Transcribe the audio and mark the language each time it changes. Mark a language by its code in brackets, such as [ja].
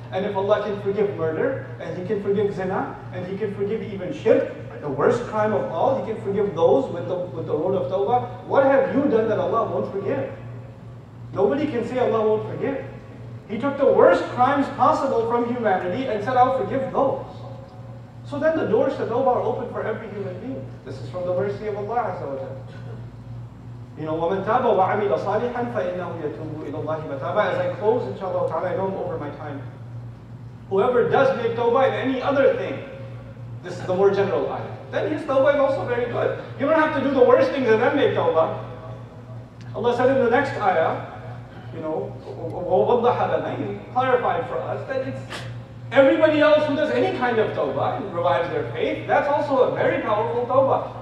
[en] And if Allah can forgive murder, and He can forgive zina, and He can forgive even shirk, the worst crime of all, He can forgive those with the road of tawbah. What have you done that Allah won't forgive? Nobody can say Allah won't forgive. He took the worst crimes possible from humanity and said, I'll forgive those. So then the doors to tawbah are open for every human being. This is from the mercy of Allah Azza wa Jalla. You know, [ar] وَمَنْ تَابَ وَعَمِلَ صَالِحًا فَإِنَّهُ يَتُوبُ إِلَى اللَّهِ مَتَابًا. [en] As I close, inshaAllah ta'ala, I know I'm over my time. Whoever does make tawbah in any other thing, this is the more general ayah, then his tawbah is also very good. You don't have to do the worst things and then make tawbah. Allah said in the next ayah, you know, [ar] وَوَضَّحَ لَنَا, [en] He clarified for us that it's everybody else who does any kind of tawbah and revives their faith, that's also a very powerful tawbah.